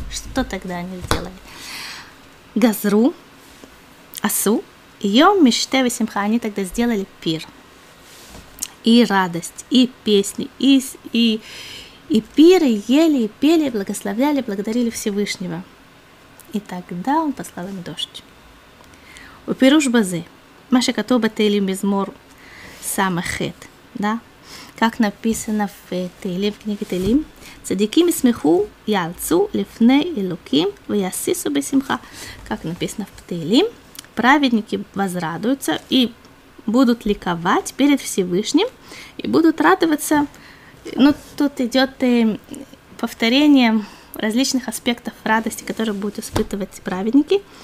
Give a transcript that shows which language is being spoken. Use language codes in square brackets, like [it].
[ru] Что тогда они сделали? [he] Газру, асу, йом миште висимха, [ru] они тогда сделали пир. И радость, и песни, и пиры, ели, и пели, благословляли, благодарили Всевышнего. И тогда он послал им дождь. Упируш базы. [he] מה שכתוב בתהילים מזמור סמך ח, да? [ru] Как написано в Тейлим, в книге Тейлим. [he] Цадики мисмеху ялцу лифне элоким ваясису бисимха. [ru] Как написано в Тейлим. Праведники возрадуются и будут ликовать перед Всевышним. И будут радоваться. Ну, тут идет повторение различных аспектов радости, которые будут испытывать праведники.